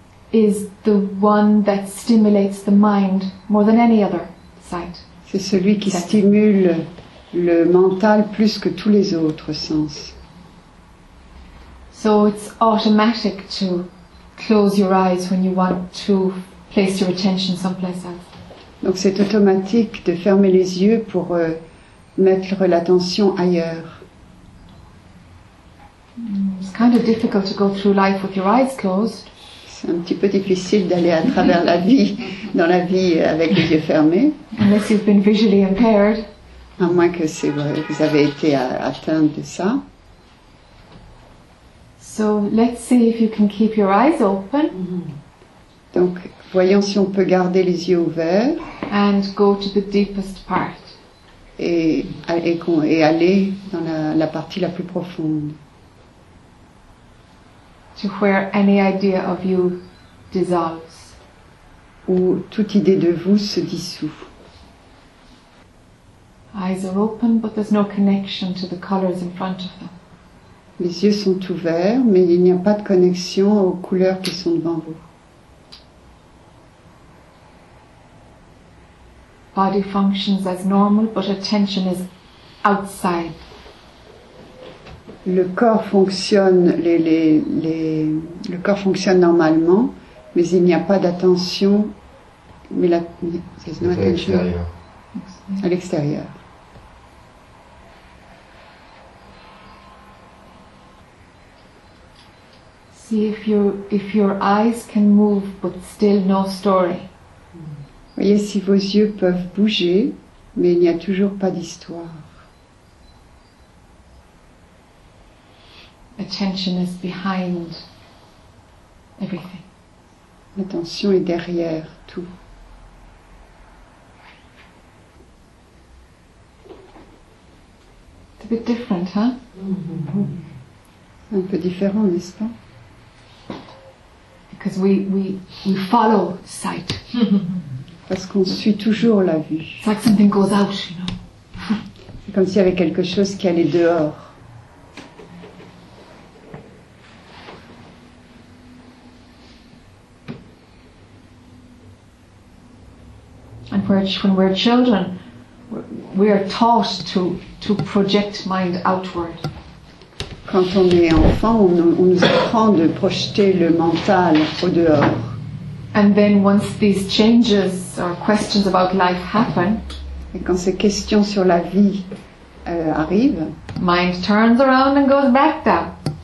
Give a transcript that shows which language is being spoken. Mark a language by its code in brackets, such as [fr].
[en] Is the one that stimulates the mind more than any other sight. [fr] C'est celui qui stimule le mental plus que tous les autres sens. [en] So it's automatic to close your eyes when you want to place your attention someplace else. [fr] Donc c'est automatique de fermer les yeux pour mettre l'attention ailleurs. [en] It's kind of difficult to go through life with your eyes closed. [fr] C'est un petit peu difficile d'aller à travers la vie, dans la vie avec les yeux fermés. [en] Unless you've been visually impaired. [fr] À moins que c'est vrai, vous avez été atteint de ça. [en] So let's see if you can keep your eyes open. [fr] Donc voyons si on peut garder les yeux ouverts. [en] And go to the deepest part. [fr] Et aller dans la partie la plus profonde. [en] To where any idea of you dissolves. [fr] Où toute idée de vous se dissout. [en] Eyes are open, but there's no connection to the colors in front of them. [fr] Les yeux sont ouverts, mais il n'y a pas de connexion aux couleurs qui sont devant vous. [en] Body functions as normal, but attention is outside. [fr] Le corps fonctionne normalement, mais il n'y a pas d'attention. Mais la, c'est à l'extérieur. À l'extérieur. [en] See if your eyes can move, but still no story. [fr] Voyez si vos yeux peuvent bouger, mais il n'y a toujours pas d'histoire. [en] Attention is behind everything. [fr] L'attention est derrière tout. [en] It's a bit different, huh? [fr] Un peu différent, n'est-ce pas? [en] Because we follow sight. [fr] Parce qu'on suit toujours la vue. [en] It's like something goes out, you know. [fr] C'est comme s'il y avait quelque chose qui allait dehors. [en] When we're children, we are taught to project mind outward. [fr] Quand on est enfant, on nous apprend de projeter le mental au dehors. [en] And then once these changes or questions about life happen, [fr] et quand ces questions sur la vie arrivent, [en] mind turns around and goes back down.